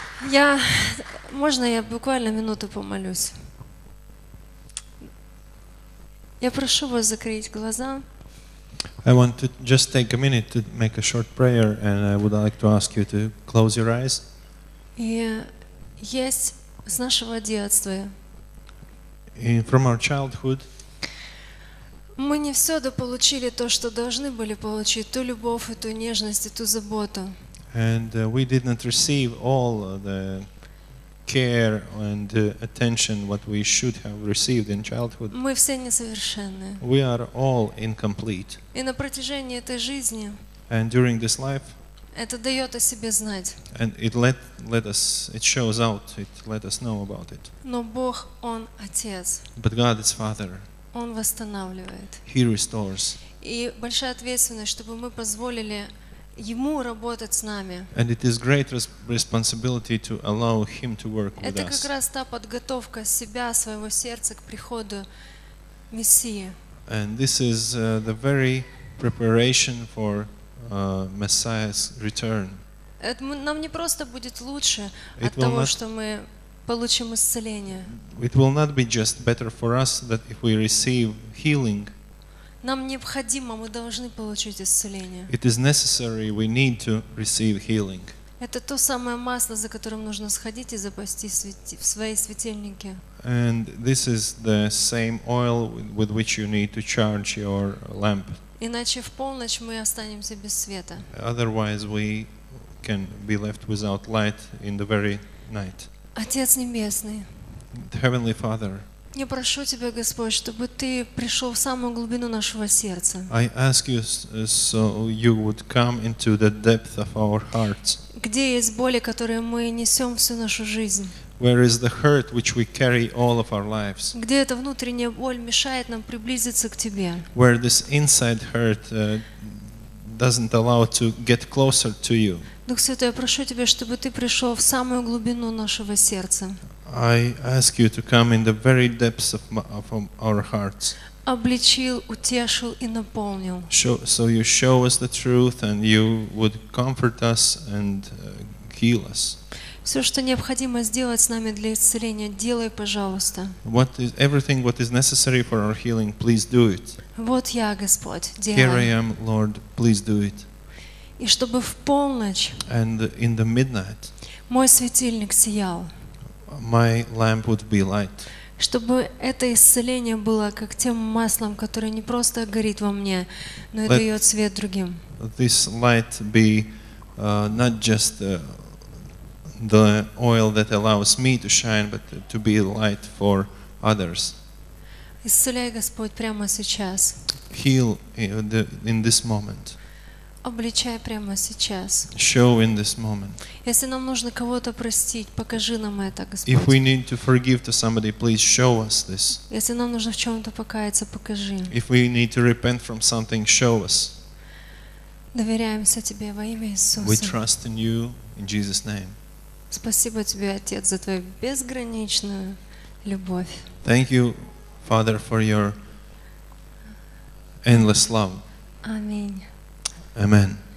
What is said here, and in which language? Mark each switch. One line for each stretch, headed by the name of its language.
Russian: Я, можно я буквально минуту помолюсь? Я прошу вас закрыть глаза.
English: I want to just take a minute to make a short prayer, and I would like to ask you to close your eyes.
Russian: И есть с нашего детства.
English: And from our childhood.
Russian: Мы не все дополучили то, что должны были получить, ту любовь, и ту нежность, и ту заботу.
English: And we did not receive all the care and attention what we should have received in childhood.
Russian: Мы все несовершенны.
English: We are all incomplete.
Russian: И на протяжении этой жизни.
English: And during this life.
Russian: Это дает о себе знать.
English: And it shows out about it.
Russian: Но Бог, Он Отец.
English: But God is Father.
Russian: Он восстанавливает.
English: He restores.
Russian: И большая ответственность, чтобы мы позволили Ему работать с нами.
English: And it is great responsibility to allow Him to work with us.
Russian: Это как раз та подготовка себя, своего сердца к приходу Мессии.
English: And this is the very preparation for Messiah's return.
Russian: Нам не просто будет лучше от того, что мы получим исцеление.
English: It will not be just better for us that if we receive healing.
Russian: Нам необходимо, мы должны получить исцеление.
English: It is necessary, we need to receive healing.
Russian: Это то самое масло, за которым нужно сходить и запастись в своей светильнике.
English: And this is the same oil with which you need to charge your lamp.
Russian: Иначе в полночь мы останемся без света.
English: Otherwise we can be left without light in the very night.
Russian: Отец Небесный.
English: Heavenly Father.
Russian: Я прошу Тебя, Господь, чтобы Ты пришел в самую глубину нашего сердца.
English: I ask you so you would come into the depth of our hearts.
Russian: Где есть боли, которые мы несем всю нашу жизнь?
English: Where is the hurt which we carry all of our lives?
Russian: Где эта внутренняя боль мешает нам приблизиться к Тебе?
English: Where this inside hurt doesn't allow to get closer to you?
Russian: Дух Святой, я прошу Тебя, чтобы Ты пришел в самую глубину нашего сердца.
English: I ask you to come in the very depths of our hearts.
Russian: Обличил, утешил и наполнил.
English: So you show us the truth and you would comfort us and heal us.
Russian: Все, что необходимо сделать с нами для исцеления, делай, пожалуйста.
English: Everything what is necessary for our healing, please do it.
Russian: Вот я, Господь, делай.
English: Here I am, Lord, please do it.
Russian: И чтобы в полночь
English: and in the midnight
Russian: мой светильник сиял.
English: My lamp would be light.
Russian: Чтобы это исцеление было как тем маслом, которое не просто горит во мне, но и дает свет другим.
English: This light be not just the oil that allows me to shine, but to be light for others.
Russian: Исцеляй, Господь, прямо сейчас.
English: Heal in this moment.
Russian: Обличай прямо сейчас.
English: Show in this moment.
Russian: Если нам нужно кого-то простить, покажи нам это, Господь.
English: If we need to forgive to somebody, please show us this.
Russian: Если нам нужно в чем-то покаяться, покажи.
English: If we need to repent from something, show us.
Russian: Доверяемся Тебе во имя Иисуса.
English: We trust in you in Jesus' name.
Russian: Спасибо Тебе, Отец, за Твою безграничную любовь.
English: Thank you, Father, for your endless love.
Russian: Аминь.
English: Amen.